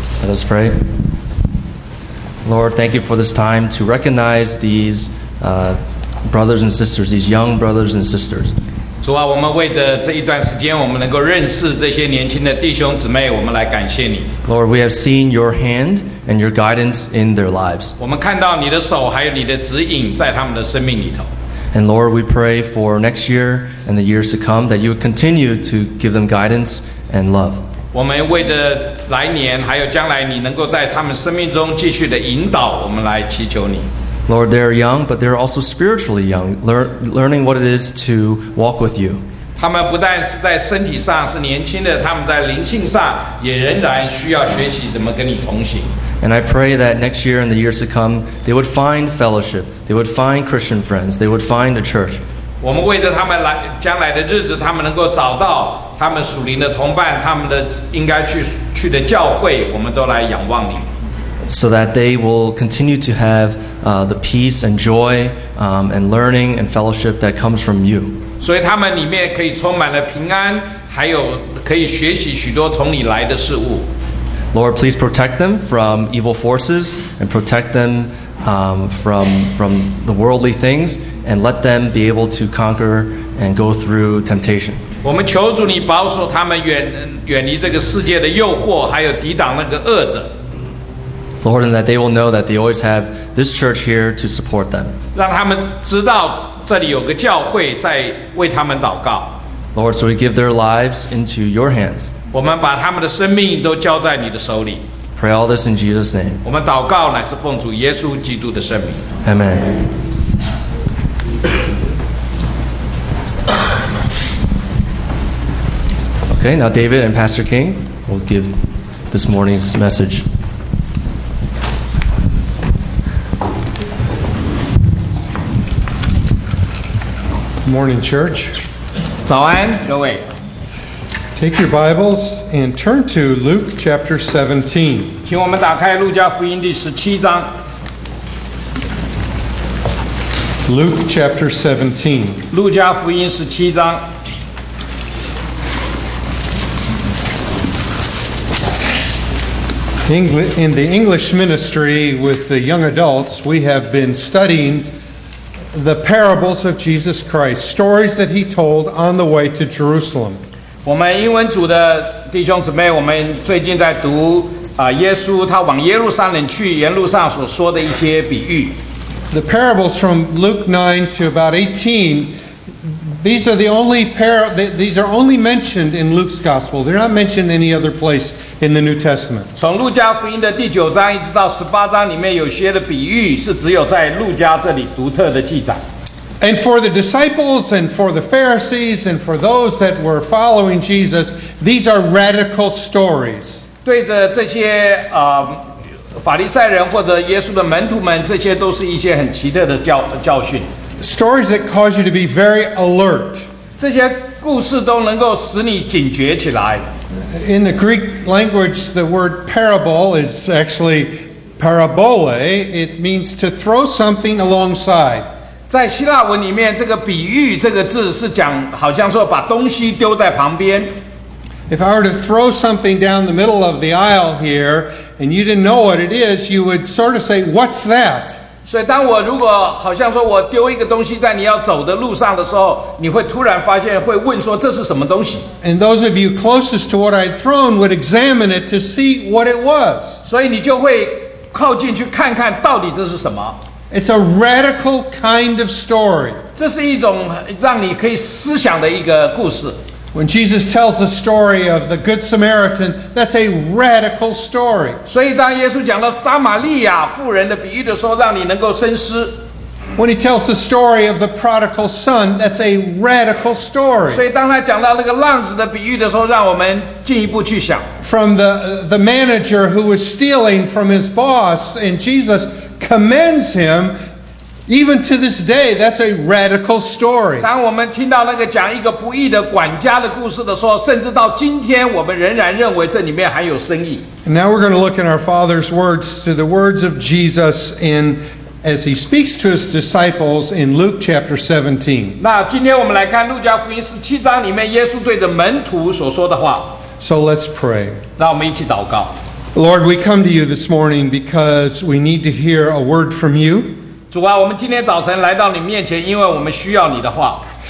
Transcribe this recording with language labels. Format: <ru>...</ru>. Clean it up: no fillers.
<en>Let us pray. Lord, thank you for this time to recognize these brothers and sisters, these young brothers and sisters.</en> <zh>主啊，我们为着这一段时间，我们能够认识这些年轻的弟兄姊妹，我们来感谢你。</zh> <en>Lord, we have seen your hand and your guidance in their lives.</en> <zh>我们看到你的手，还有你的指引在他们的生命里头。</zh> <en>And Lord, we pray for next year and the years to come that you would continue to give them guidance and love.</en> <zh>我们为着来年，还有将来，你能够在他们生命中继续的引导，我们来祈求你。</zh> <en>Lord, they are young, but they are also spiritually young, learning what it is to walk with you.</en> <zh>他们不但是在身体上是年轻的，他们在灵性上也仍然需要学习怎么跟你同行。</zh> <en>And I pray that next year and the years to come, they would find fellowship, they would find Christian friends, they would find a church.</en> <zh>我们为着他们来将来的日子，他们能够找到他们属灵的同伴，他们的应该去的教会，我们都来仰望你。</zh> <en>So that they will continue to have the peace and joy and learning and fellowship that comes from you.</en> <zh>所以他们里面可以充满了平安，还有可以学习许多从你来的事物。</zh> <en>Lord, please protect them from evil forces and protect them from the worldly things and let them be able to conquer and go through temptation.</en> <zh>我们求主你保守他们远离这个世界的诱惑，还有抵挡那个恶者。</zh> <en>Lord, and that they will know that they always have this church here to support them.</en> <zh>让他们知道这里有个教会在为他们祷告。</zh> <en>Lord, so we give their lives into your hands.</en> <zh>我们把他们的生命都交在你的手里。</zh> <en>Pray all this in Jesus' name.</en> <zh>我们祷告乃是奉主耶稣基督的圣名。</zh> <en>Amen. Okay, now David and Pastor King will give this morning's message. Morning, church.</en> <zh>早安，各位。</zh> <en>Take your Bibles and turn to Luke chapter 17.</en> <zh>请我们打开路加福音第十七章。</zh> <en>Luke chapter 17.</en> <zh>路加福音十七章。</zh> <en>In the English ministry with the young adults, we have been studying. The parables of Jesus Christ, stories that he told on the way to Jerusalem.</en> <zh>我们英文组的弟兄姊妹，我们最近在读耶稣他往耶路撒冷去沿路上所说的一些比喻。</zh> <en>The parables from Luke 9 to about 18, these are only mentioned in Luke's gospel. They're not mentioned any other place in the New Testament.</en> <zh>从路加福音的第九章一直到十八章里面有些的比喻是只有在路加这里独特的记载。</zh> <en>And for the disciples and for the Pharisees and for those that were following Jesus, these are radical stories.</en> <zh>对着这些法利赛人或者耶稣的门徒们，这些都是一些很奇特的教训。</zh> <en>Stories that cause you to be very alert.</en> <zh>这些故事都能够使你警觉起来。</zh> <en>In the Greek language, the word parable is actually parabole. It means to throw something alongside.</en> <zh>在希腊文里面，这个比喻这个字是讲，好像说把东西丢在旁边。</zh> <en>If I were to throw something down the middle of the aisle here, and you didn't know what it is, you would sort of say, "What's that?"</en> <zh>所以，当我如果好像说我丢一个东西在你要走的路上的时候，你会突然发现，会问说这是什么东西。</zh> <en>And those of you closest to what I'd thrown would examine it to see what it was.</en> <zh>所以你就会靠近去看看到底这是什么。</zh> <en>It's a radical kind of story.</en> <zh>这是一种让你可以思想的一个故事。</zh> <en>When Jesus tells the story of the Good Samaritan, that's a radical story.</en> <zh>所以当耶稣讲了撒玛利亚妇人的比喻的时候，让你能够深思。</zh> <en>When he tells the story of the prodigal son, that's a radical story.</en> <zh>所以当他讲到那个浪子的比喻的时候，让我们进一步去想。</zh> <en>From the manager who was stealing from his boss, and Jesus commends him. Even to this day, that's a radical story.</en> <zh>当我们听到那个讲一个不义的管家的故事的时候，甚至到今天，我们仍然认为这里面含有深意。</zh> <en>And now we're going to look in our Father's words to the words of Jesus in as he speaks to his disciples in Luke chapter 17.</en> <zh>那今天我们来看路加福音十七章里面耶稣对着门徒所说的话。</zh> <en>So let's pray.</en> <zh>那我们一起祷告。</zh> <en>Lord, we come to you this morning because we need to hear a word from you.</en> <zh>主啊，我们今天早晨来到你面前，因为我们需要你的话。</zh>